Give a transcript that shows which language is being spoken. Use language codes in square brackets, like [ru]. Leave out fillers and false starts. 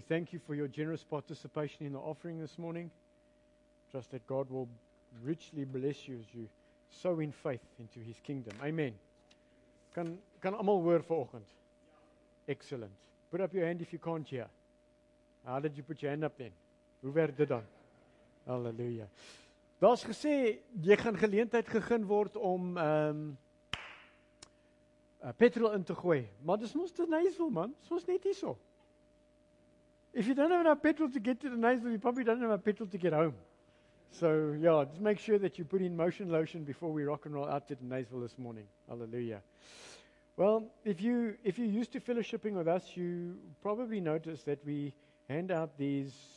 [en] Thank you for your generous participation in the offering this morning. Trust that God will richly bless you as you sow in faith into His kingdom. Amen. [af] Kan almal hoor vir oggend? Excellent. [en] Put up your hand if you can't hear. How did you put your hand up then? [af] Hoe werk dit dan? Halleluja. Daar's gesê, jy gaan geleentheid gegeen word om petrol in te gooi. Maar dis mos te Nysville, man. Dis mos net hierso. [en] If you don't have enough petrol to get to the Nysville, you probably don't have enough petrol to get home. So, yeah, just make sure that you put in motion lotion before we rock and roll out to the Nysville this morning. Hallelujah. Well, if you're used to fellowshipping with us, you probably notice that we hand out these...